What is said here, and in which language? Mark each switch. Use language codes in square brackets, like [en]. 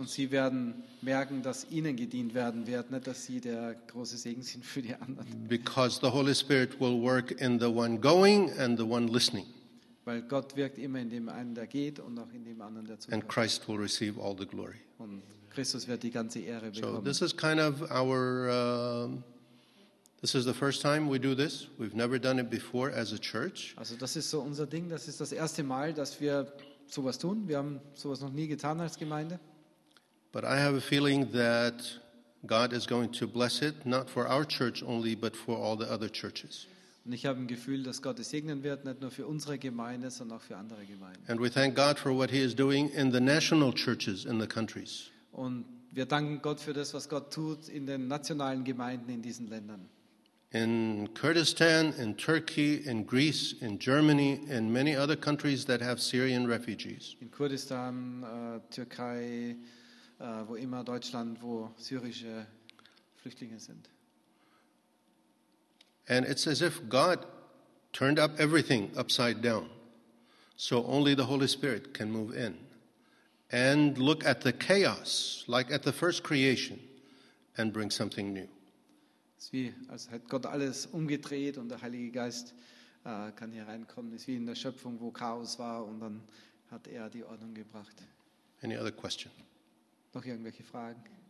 [de] Und sie werden merken, dass ihnen gedient werden wird, nicht dass sie der große Segen sind für die anderen. [en] Because the Holy Spirit will work in the one going and the one listening. [de] Weil Gott wirkt immer in dem einen, der geht, und auch in dem anderen, der zuhört. [en] And Christ will receive all the glory. [de] Und Christus wird die ganze Ehre bekommen. [en] So this is kind of our this is the first time we do this. We've never done it before as a church. [de] Also das ist so unser Ding, das ist das erste Mal, dass wir sowas tun. Wir haben sowas noch nie getan als Gemeinde. [en] But I have a feeling that God is going to bless it, not for our church only, but for all the other churches. [de] Und ich habe ein Gefühl, dass Gott es segnen wird, nicht nur für unsere Gemeinde, sondern auch für andere Gemeinden. [en] And we thank God for what he is doing in the national churches in the countries. [de] Und wir danken Gott für das, was Gott tut in den nationalen Gemeinden in diesen Ländern. [en] In Kurdistan, in Turkey, in Greece, in Germany, in many other countries that have Syrian refugees. [de] In Kurdistan, Türkei, wo immer, Deutschland, wo syrische Flüchtlinge sind. [en] And it's as if God turned up everything upside down, so only the Holy Spirit can move in and look at the chaos, like at the first creation, and bring something new. [de] Es ist wie, als hätte Gott alles umgedreht und der Heilige Geist kann hier reinkommen. Es ist wie in der Schöpfung, wo Chaos war und dann hat er die Ordnung gebracht. [en] Any other question? [de] Noch irgendwelche Fragen?